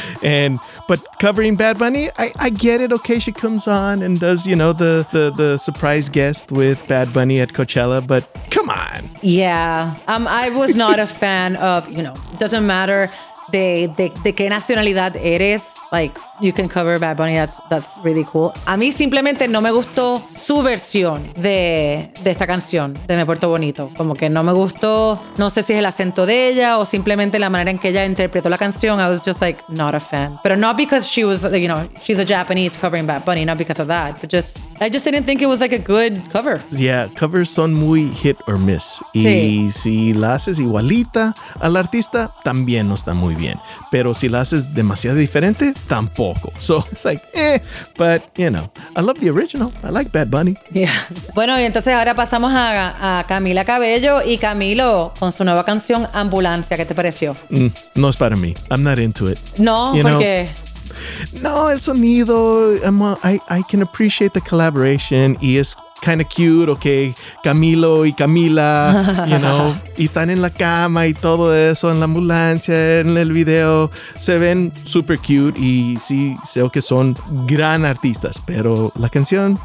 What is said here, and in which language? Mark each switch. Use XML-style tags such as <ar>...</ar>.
<en>And but covering Bad Bunny, I get it. Okay, she comes on and does, you know, the surprise guest with Bad Bunny at Coachella, but come on. Yeah. I was not a fan of, you know, doesn't matter</en> <es>de qué nacionalidad eres.</es> <en>Like, you can cover Bad Bunny, that's really cool.</en> <es>A mí simplemente no me gustó su versión de esta canción, de Me Porto Bonito. Como que no me gustó, no sé si es el acento de ella o simplemente la manera en que ella interpretó la canción.</es> <en>I was just like, not a fan.</en> <es>Pero</es> <en>not because she was, you know, she's a Japanese covering Bad Bunny, not because of that. But just, I just didn't think it was like a good cover. Yeah, covers</en> <es>son muy</es> <en>hit or miss. Sí.</en> <es>Y si la haces igualita al artista, también no está muy bien. Pero si la haces demasiado diferente, tampoco.</es> <en>So it's like, but you know, I love the original. I like Bad Bunny. Yeah.</en> <es>Bueno, y entonces ahora pasamos a Camila Cabello y Camilo con su nueva canción Ambulancia. ¿Qué te pareció? No es para mí.</es> <en>I'm not into it. No, you know?</en> <es>¿Por qué? No, el sonido.</es> <en>I can appreciate the collaboration</en> <es>y es</es> <en>kind of cute, okay,</en> <es>Camilo y Camila, you know, y están en la cama y todo eso, en la ambulancia, en el video, se ven super cute y sí, sé que son gran artistas, pero la canción,</es>